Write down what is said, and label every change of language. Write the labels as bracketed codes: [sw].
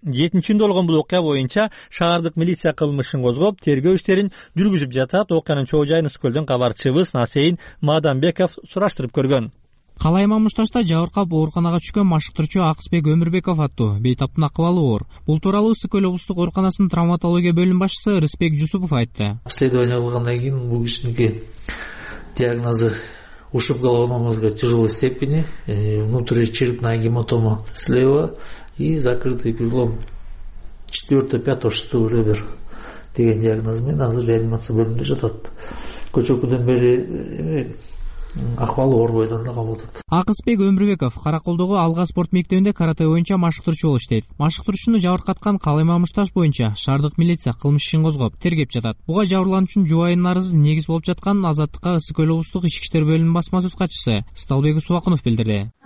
[ky] 7-июнда болгон бул окуя боюнча шаардык милиция кылмышын козгоп, тергөө иштерин жүргүзүп жатат. Окуянын чоо жайын Ысык-Көлдөн кабарчыбыз Насейин Мадамбеков сураштырып көргөн. Калайман Мушташта жабыркап ооруканага түшкөн машыктырчу Акысбек Өмүрбеков аттуу бейтаптын акыбалы оор. Бул тууралуу Ысык-Көл облустук ооруканасынын травматология бөлүм башчысы Рысбек Жусупов айтты. Обследование болгондон кийин бул кишиники диагнозу ушуп [ru] головной мозга тяжелой степени, внутричерепная гематома слева и закрытый перелом 4-5-6 ребер [ky] деген диагноз менен азыр реанимация бөлүмүндө жатат. Көчөкүдөн бери акыбалы оор бойдон эле калып атат. Акысбек Өмүрбеков Караколдогу Алга спорт мектебинде карате боюнча машыктырчу болуп иштейт. Машыктырчуну жабыркаткан Калайман Мушташ боюнча шаардык милиция кылмыш ишин козгоп тергеп жатат. Буга жабырлануучунун жубайынын арызы негиз болуп жаткан Азаттыкка Ысык-Көл облустук ички иштер бөлүмүнүн басмасөз катчысы Сталбек Субакынов билдирди.